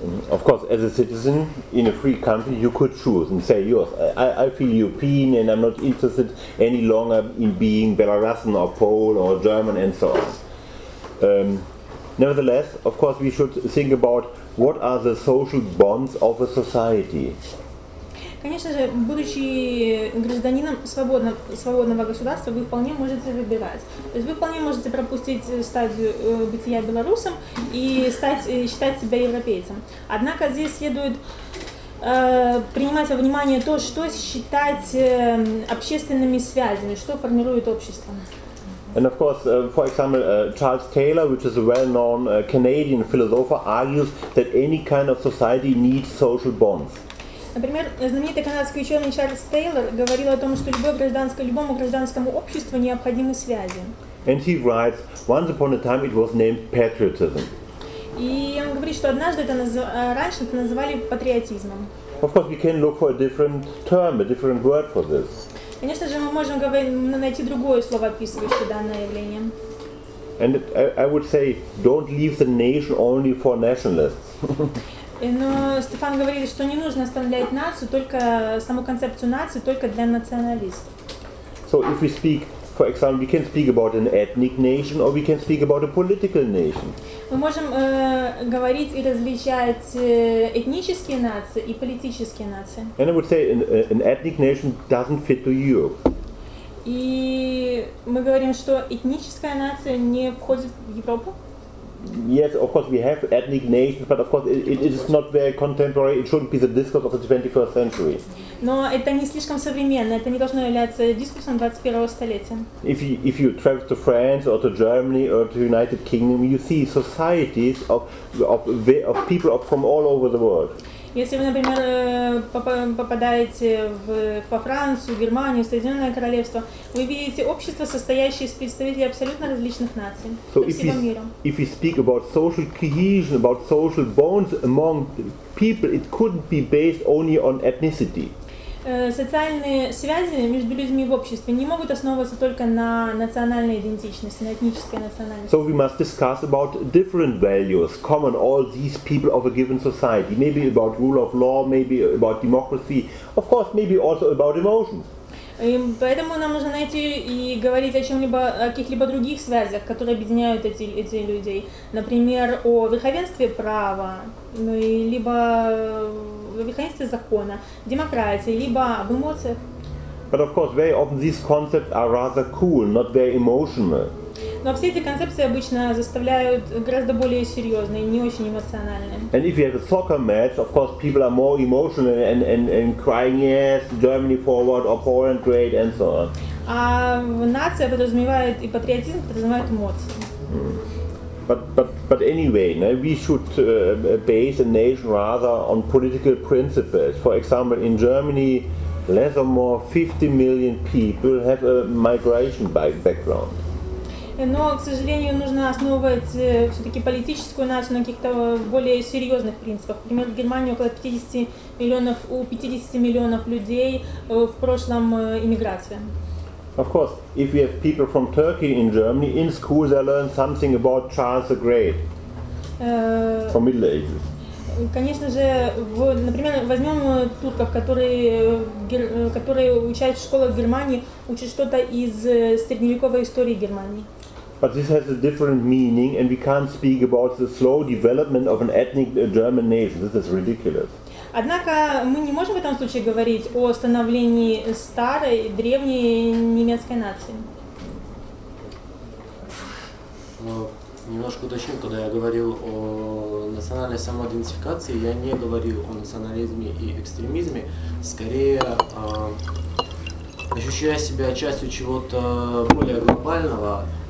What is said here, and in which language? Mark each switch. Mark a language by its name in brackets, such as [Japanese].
[English] Of course, as a citizen in a free country, you could choose and say, yes, I feel European and I'm not interested any longer in being Belarusian or Pole or German and so on. Nevertheless, of course, we should think about what are the social bonds of a society. [Russian] Конечно же, будучи гражданином свободного государства, вы вполне можете выбирать. То есть вы вполне можете пропустить стадию бытия белорусом и считать себя европейцем. Однако здесь следует принимать во внимание то, что считать общественными связями, что формирует общество. [English] And of course, for example, Charles Taylor, which is a well-known Canadian philosopher, argues that any kind of society needs social bonds. [Russian] Например, знаменитый канадский ученый Чарльз Тейлор говорил о том, что любому гражданскому обществу необходимы связи. [English] And he writes, once upon a time it was named patriotism. [Russian] И он говорит, что однажды это раньше это называли патриотизмом. [English] Of course, we can look for a different term, a different word for this. [Russian] Конечно же, мы можем найти другое слово, описывающее данное явление. [English] And I would say, don't leave the nation only for nationalists. [Russian] Но Стефан говорит, что не нужно оставлять нацию, только саму концепцию нации, только для националистов. [English] So if we speak, for example, we can speak about an ethnic nation, or we can speak about a political nation. [Russian] Мы можем говорить и различать этнические нации и политические нации. [English] And I would say an ethnic nation doesn't fit to Europe. [Russian] И мы говорим, что этническая нация не входит в Европу. [English] Yes, of course we have ethnic nations, but of course it is not very contemporary. It shouldn't be the discourse of the 21st century. [Russian] Но это не слишком современно. Это не должно являться дискурсом 21-го столетия. [English] If you travel to France or to Germany or to United Kingdom, you see societies of people from all over the world. [Russian] Если вы, например, попадаете во Францию, Германию, Соединенное Королевство, вы видите общество, состоящее из представителей абсолютно различных наций по всему миру. [English] If we speak about social cohesion, about social bonds among people, it couldn't be based only on ethnicity. [Russian] Социальные связи между людьми в обществе не могут основываться только на национальной идентичности, на этнической национальности. [English] So we must discuss about different values common all these people of a given society. Maybe about rule of law, maybe about democracy, of course, maybe also about emotions. [Russian] Поэтому нам нужно найти и говорить о каких-либо других связях, которые объединяют эти людей. Например, о верховенстве права, либо о верховенстве закона, демократии, либо об эмоциях. [English] But of course, very often these concepts are rather cool, not very emotional. [Russian] Но все эти концепции обычно заставляют гораздо более серьезные, не очень эмоциональные. [English] And if you have a soccer match, of course, people are more emotional and crying, yes, Germany forward, or Poland great, and so on. [Russian] А нация подразумевает и патриотизм подразумевает эмоции. [English] But anyway, we should base a nation rather on political principles. For example, in Germany, less or more 50 million people have a migration background. [Russian] Но, к сожалению, нужно основывать все-таки политическую нацию на каких-то более серьезных принципах. Например, в Германии около 50 миллионов, у 50 миллионов людей в прошлом иммиграция. [English] Of course, if we have people from Turkey in Germany, in schools they learn something about Charles the Great from Middle Ages. [Russian] Конечно же, например, возьмем турков, которые учат в школах Германии, учат что-то из средневековой истории Германии. [English] But this has a different meaning, and we can't speak about the slow development of an ethnic German nation. This is ridiculous. [Russian] Однако мы не можем в этом случае говорить о становлении старой, древней немецкой нации. Немножко уточню, когда я говорил о национальной самоидентификации, я не говорил о национализме и экстремизме, скорее ощущая себя частью чего-то более глобального.